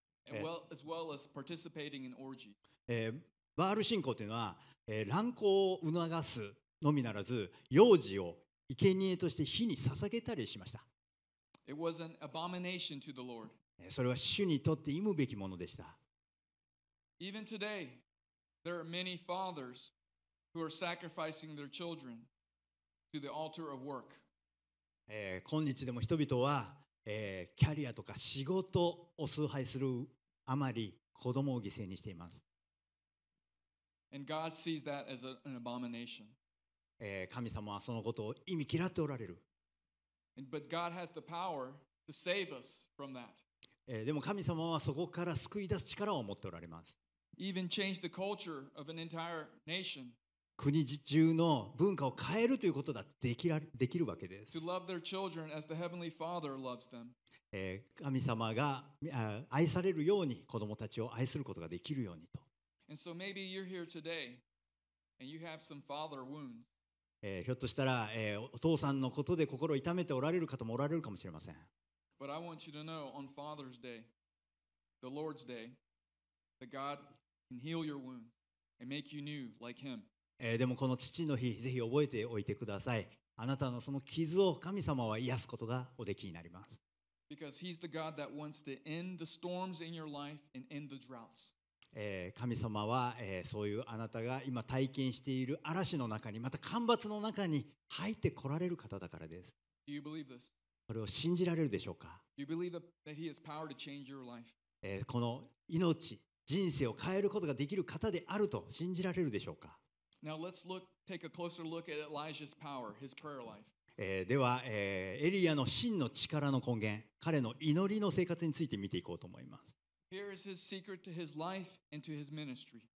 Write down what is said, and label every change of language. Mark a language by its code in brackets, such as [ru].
[en] As well as participating in orgy. [ja] バール信仰というのは、乱行を促すのみならず、幼児を生贄として火に捧げたりしました。 [en] It was an abomination to the Lord. [ja] それは主にとって忌むべきものでした。 [en] Even today, there are many fathers who are sacrificing their children to the altar of work. [ja] 今日でも人々は、キャリアとか仕事を崇拝するあまり子供を犠牲にしています。 [en] And God sees that as an abomination. [ja] 神様はそのことを忌み嫌っておられる。 [en] But God has the power to save us from that. [ja] でも神様はそこから救い出す力を持っておられます。 [en] Even change the culture of an entire nation. [ja] 国中の文化を変えるということだってできるわけです。 [en] To love their children as the Heavenly Father loves them. [ja] 神様が愛されるように子供たちを愛することができるようにと。ひょっとしたら、お父さんのことで心を痛めておられる方もおられるかもしれません。 [en] But I want you to know on Father's Day, the Lord's Day, that God can heal your wound and make you new like Him. [ja] でもこの父の日、ぜひ覚えておいてください。あなたのその傷を神様は癒すことがおできになります。 [en] Because he's the God that wants to end the storms in your life and end the droughts. [ja] 神様は、そういうあなたが今体験している嵐の中に、また干ばつの中に入ってこられる方だからです。 [en] Do you believe this? [ja] これを信じられるでしょうか? [en] Do you believe that he has power to change your life? [ja] この命、人生を変えることができる方であると信じられるでしょうか? [en] Now let's take a closer look at Elijah's power, his prayer life. [ja] では、エリアの真の力の根源、彼の祈りの生活について見ていこうと思います。 [en] Here is his secret to his life and to his ministry.